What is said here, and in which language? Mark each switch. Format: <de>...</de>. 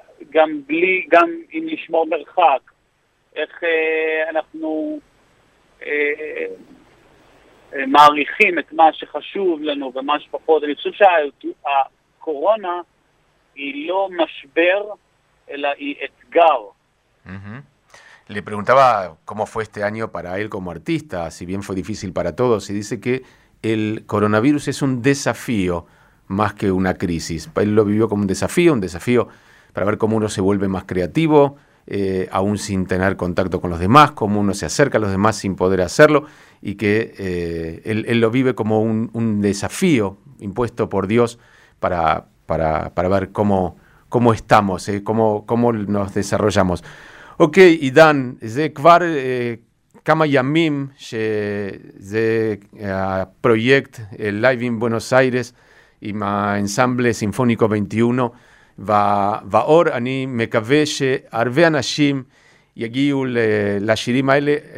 <he>גם בלי, גם אם נשמור מרחק, איך אנחנו מעריכים את מה שחשוב לנו ומה שפחות. אני חושב שהקורונה היא לא משבר אלא היא אתגר.</he> <es>Le preguntaba cómo fue este año para él como artista, si bien fue difícil para todos, y dice que el coronavirus es un desafío más que una crisis. Él lo vivió como un desafío para ver cómo uno se vuelve más creativo, aún sin tener contacto con los demás, cómo uno se acerca a los demás sin poder hacerlo, y que él lo vive como un desafío impuesto por Dios para ver cómo estamos, cómo nos desarrollamos.</es> <he>Ok, Idan,</he> <es>¿de kvar</es> <he>כמה ימים שזה הפרויקט Live in Buenos Aires עם האנסמבלה סימפוניקו 21, ואור, אני מקווה שהרבה אנשים יגיעו לשירים האלה.</he>